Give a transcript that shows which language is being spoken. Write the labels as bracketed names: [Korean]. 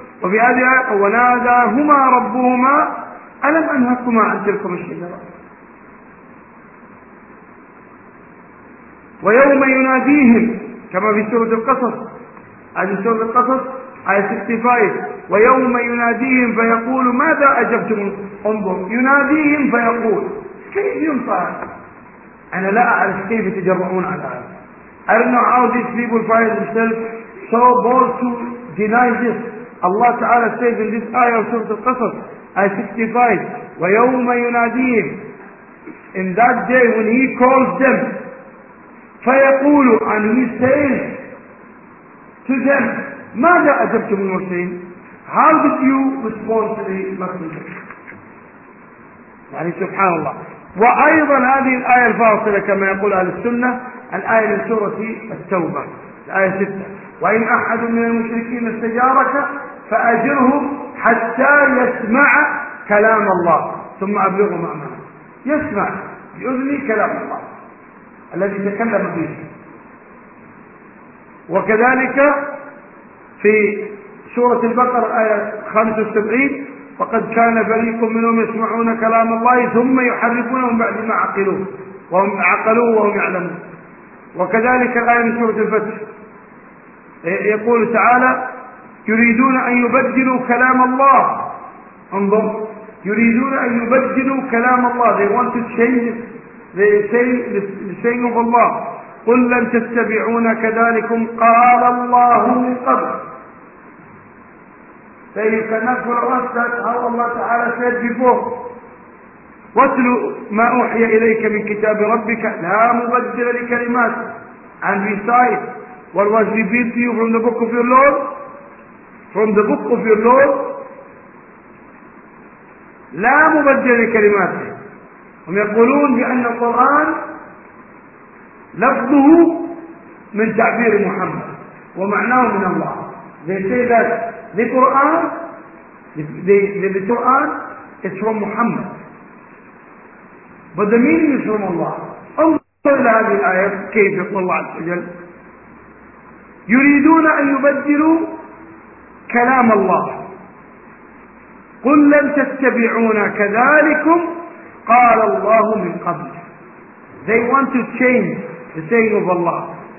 [Arabic] وفي آية وناداهما ربهما ألم أنهكما عن تلك الشجرة ويوم يناديهم كما في سورة القصص، هذه سورة القصص آية 65 ويوم يناديهم فيقول ماذا أجبتم. انظر يناديهم فيقول كيف ينصر؟ أنا لا أعرف كيف تجرؤون على هذا. [English] I don't know how these people find themselves so bold to deny this. Allah تعالى says in this ayah of Surah Al-Qasas, ayah 65, [Arabic] وَيَوْمَ يُنَادِيهِمْ [English] In that day when he calls them, [Arabic] فَيَقُولُ [English] And he says to them, [Arabic] ماذا أجبتم المرسلين؟ [English] How did you respond to the messenger? [Arabic] يعني سبحان الله. وأيضا هذه الآية الفاصلة كما يقول أهل السنة الآية من سورة التوبة الآية 6 وإن أحد من المشركين استجارك فأجره حتى يسمع كلام الله ثم أبلغه مأمنة. يسمع بأذني كلام الله الذي تكلم به. وكذلك في سورة البقرة آية 75 وقد كان فريق منهم يسمعون كلام الله ثم يحرفونه بعد ما عقلوه وهم عقلوه وهم يعلمون. وكذلك الآية من سورة الفتح يقول تعالى يريدون أن يبدلوا كلام الله. انظر يريدون أن يبدلوا كلام الله. [English] They want to change the saying of Allah. [Arabic] قل لن تتبعون كذلكم قال الله من قبل. [English] So you cannot follow us, that's how Allah Ta'ala said before. [Arabic] واتلو ما أوحي إليك من كتاب ربك لا مبدل لكلمات. [English] And recite what was revealed to you from the book of your Lord. From the book of your Lord. [Arabic] لا مبدل لكلمات. هم يقولون بأن القرآن لفظه من تعبير محمد ومعناه من الله. [English] They say that the Quran, the Quran is from Muhammad. But the meaning is from Allah. [Arabic] انظر إلى هذه الآية كيف يقول الله عز وجل. يريدون أن يبدلوا كلام الله. قل لن تتبعونا كذلكم قال الله من قبل. [English] They want to change the saying of Allah.